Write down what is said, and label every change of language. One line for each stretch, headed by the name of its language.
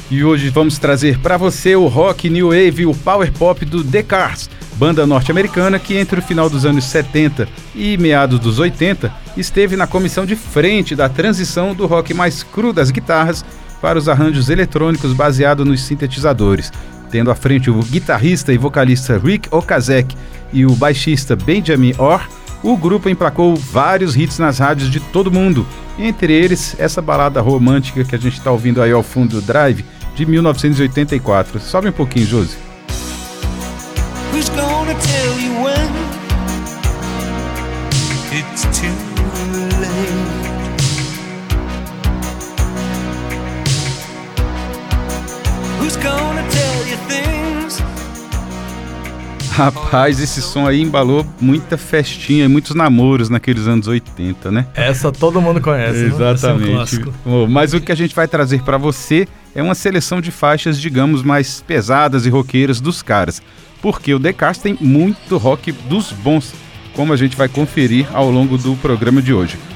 Portuguese: E hoje vamos trazer para você o rock new wave, o power pop do The Cars, banda norte-americana que entre o final dos anos 70 e meados dos 80 esteve na comissão de frente da transição do rock mais cru das guitarras para os arranjos eletrônicos baseados nos sintetizadores, tendo à frente o guitarrista e vocalista Rick Ocasek e o baixista Benjamin Orr. O grupo emplacou vários hits nas rádios de todo mundo, entre eles essa balada romântica que a gente está ouvindo aí ao fundo, Drive, de 1984. Sobe um pouquinho, Josi.
English: Who's gonna tell you when it's too late? Who's gonna tell you things?
Portuguese: Rapaz, esse som aí embalou muita festinha e muitos namoros naqueles anos 80, né? Essa todo mundo conhece. Exatamente. Né? Um, mas o que a gente vai trazer para você é uma seleção de faixas, digamos, mais pesadas e roqueiras dos caras. Porque o The Cars tem muito rock dos bons, como a gente vai conferir ao longo do programa de hoje.